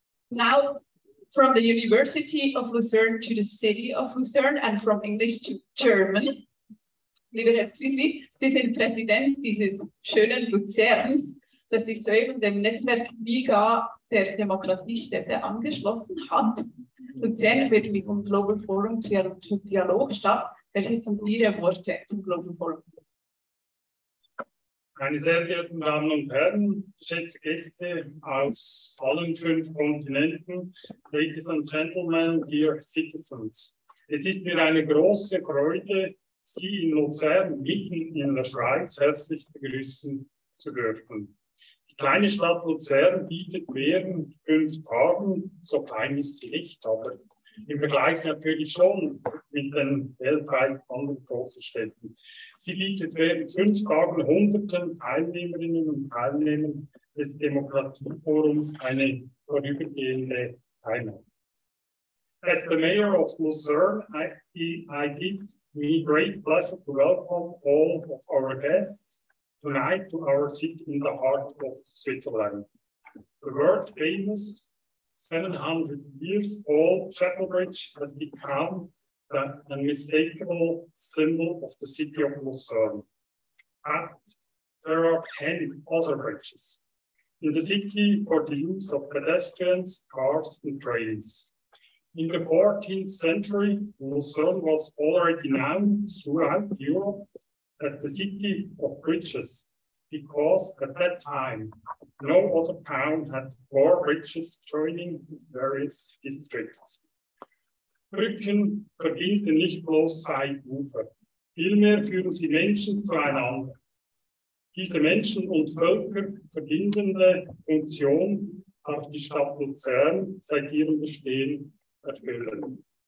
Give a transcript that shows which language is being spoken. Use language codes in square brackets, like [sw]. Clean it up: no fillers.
[en] Now, from the University of Lucerne to the city of Lucerne, and from English to German. [de] Liebe Herzlichen, Sie sind Präsident dieses schönen Luzerns, das sich soeben dem Netzwerk Liga der Demokratiestädte angeschlossen hat. Luzern wird mit dem Global Forum zum Dialog statt. Das sind jetzt Ihre Worte zum Global Forum. Meine sehr geehrten Damen und Herren, geschätzte Gäste aus allen fünf Kontinenten, [en] Ladies and Gentlemen, dear citizens. [de] Es ist mir eine große Freude, Sie in Luzern, mitten in der Schweiz, herzlich begrüßen zu dürfen. Die kleine Stadt Luzern bietet während fünf Tagen, so klein ist sie nicht, aber im Vergleich natürlich schon mit den weltweit anderen großen Städten. Sie bietet während fünf Tagen hunderten Teilnehmerinnen und Teilnehmern des Demokratieforums eine vorübergehende Teilnahme. [en] As the mayor of Lucerne, I give me great pleasure to welcome all of our guests tonight to our city in the heart of Switzerland. The world famous 700 years old Chapel Bridge has become the unmistakable symbol of the city of Lucerne. And there are 10 other bridges in the city for the use of pedestrians, cars, and trains. In the 14th century, Lucerne was already known throughout Europe as the city of bridges, because at that time, no other town had four bridges joining various districts. [de] Brücken verbinden nicht bloß zwei Ufer, vielmehr führen sie Menschen zueinander. Diese Menschen und Völker verbindende Funktion hat die Stadt Luzern seit ihrem Bestehen erfüllen.